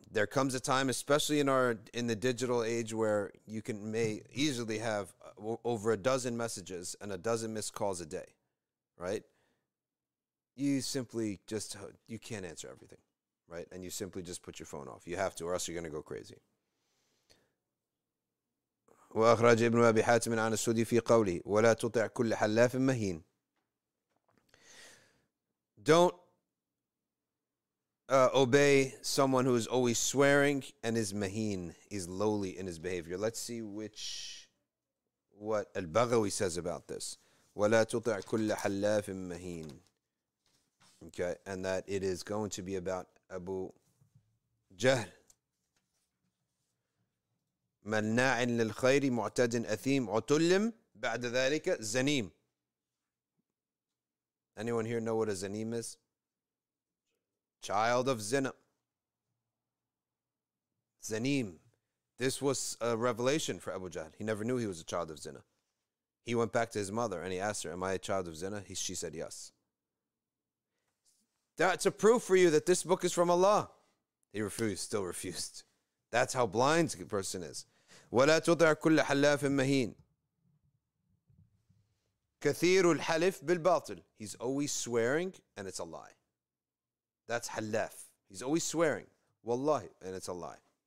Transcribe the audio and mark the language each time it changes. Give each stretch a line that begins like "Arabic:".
English: There comes a time, especially in the digital age, where you may easily have over a dozen messages and a dozen missed calls a day, right? You simply just, you can't answer everything, right? And you simply just put your phone off. You have to, or else you're going to go crazy.
Arabic: وأخرج ابن أبي حاتم عن السدي في قوله ولا تطع كل حلاف مهين.
English: Don't obey someone who is always swearing and is maheen, is lowly in his behavior. Let's see what Al-Baghawi says about this.
Arabic: ولا تطع كل حلاف مهين.
English: Okay, and that it is going to be about Abu Jahl.
Arabic: مَنَّاعٍ لِلْخَيْرِ مُعْتَدٍ أَثِيمٍ عُتُلِّمْ بَعْدَ ذَلِكَ زَنِيمٍ.
English: Anyone here know what a zanim is? Child of zina. Zanim. This was a revelation for Abu Jahl. He never knew he was a child of zina. He went back to his mother and he asked her, am I a child of zina? She said yes. That's a proof for you that this book is from Allah. He refused, still refused. That's how blind a person is.
Arabic: ولا تطع كل حلاف مهين كثير الحلف بالباطل.
English: He's always swearing and it's a lie. That's حلاف. He's always swearing. والله, and it's a lie.